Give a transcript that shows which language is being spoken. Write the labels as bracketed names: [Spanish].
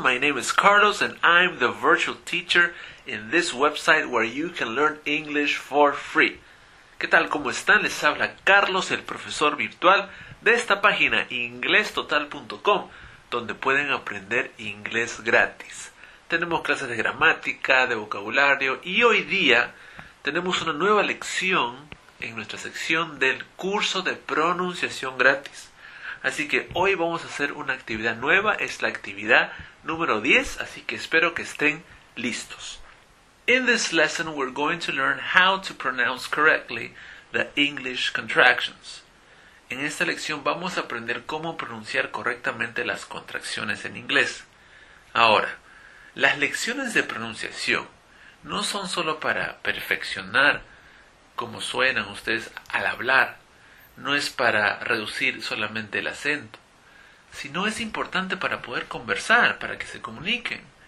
[English] My name is Carlos and I'm the virtual teacher in this website where you can learn English for free. [Spanish] ¿Qué tal? ¿Cómo están? Les habla Carlos, el profesor virtual de esta página inglestotal.com, donde pueden aprender inglés gratis. Tenemos clases de gramática, de vocabulario y hoy día tenemos una nueva lección en nuestra sección del curso de pronunciación gratis. Así que hoy vamos a hacer una actividad nueva, es la actividad número 10, así que espero que estén listos. [English] In this lesson, we're going to learn how to pronounce correctly the English contractions. [Spanish] En esta lección vamos a aprender cómo pronunciar correctamente las contracciones en inglés. Ahora, las lecciones de pronunciación no son solo para perfeccionar cómo suenan ustedes al hablar, no es para reducir solamente el acento, sino es importante para poder conversar, para que se comuniquen.